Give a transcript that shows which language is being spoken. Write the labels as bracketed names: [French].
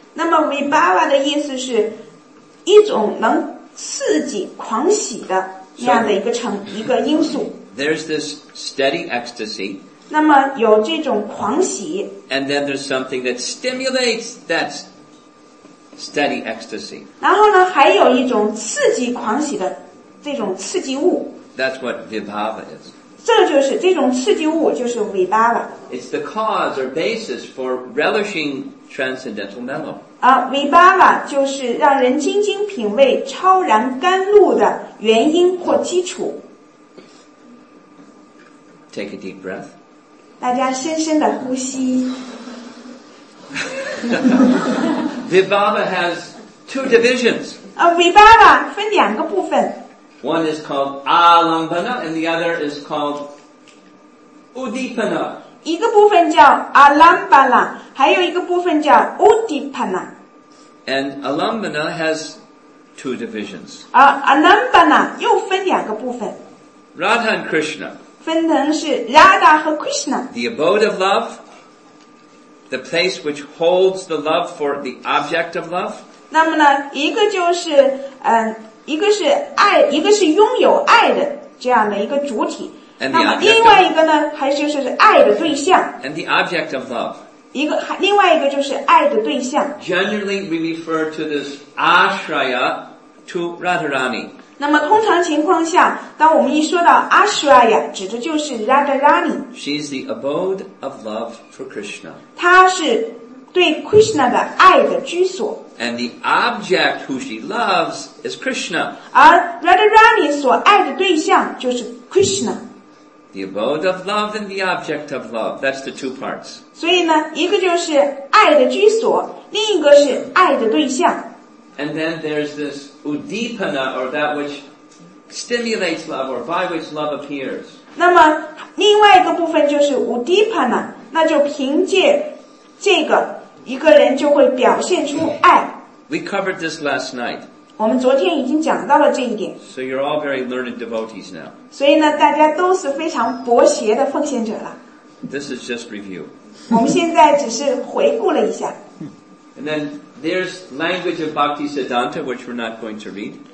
[Chinese] 那么 vibhava 的意思是一种能刺激狂喜的那样的一个因素。 [English] There's this steady ecstasy. [Chinese] 那么有这种狂喜。 [English] And then there's something that stimulates that steady ecstasy. [Chinese] 然后呢还有一种刺激狂喜的这种刺激物。 [English] That's what vibhava is. [Chinese] 这就是这种刺激物就是 vibhava [English] It's the cause or basis for relishing transcendental mellow. [Chinese] Vibhava 就是让人津津品味超然甘露的原因或基础。 [English] Take a deep breath. [Chinese] 大家深深的呼吸。 [English] Vibhava has two divisions. [Chinese] Vibhava 分两个部分。 [English] One is called Alambana and the other is called Udipana. [Chinese] 一个部分叫 Alambana, 还有一个部分叫 Udipana. [English] And Alambana has two divisions. [Chinese] Alambana 又分两个部分。 [English] Radha and Krishna. [Chinese] 分成是 Radha 和 Krishna. [English] The abode of love, the place which holds the love for the object of love. [Chinese] 那么呢一个就是一个是爱一个是拥有爱的这样的一个主体。那么另外一个呢还是就是爱的对象。 [English] And the object of love. [Chinese] 一个另外一个就是爱的对象。 [English] Generally, we refer to this ashraya to Radharani. [Chinese] 那么通常情况下当我们一说到 ashraya, 指的就是 Radharani. [English] She's the abode of love for Krishna. [Chinese] 她是对 Krishna 的爱的居所。 [English] And the object who she loves is Krishna. [Chinese] 而 Radharani 所爱的对象就是 Krishna. [English] The abode of love and the object of love. That's the two parts. [Chinese] 所以呢一个就是爱的居所另一个是爱的对象。 [English] And then there's this udipana, or that which stimulates love, or by which love appears. [Chinese] 那么另外一个部分就是 udipana， 那就凭借这个一个人就会表现出爱。 [English] We covered this last night. [Chinese] 我们昨天已经讲到了这一点。 [English] So you're all very learned devotees now. [Chinese] 所以呢，大家都是非常博学的奉献者了。 [English] This is just review. [Chinese] 我们现在只是回顾了一下。 [English] And then there's language of Bhakti Siddhanta, which we're not going to read.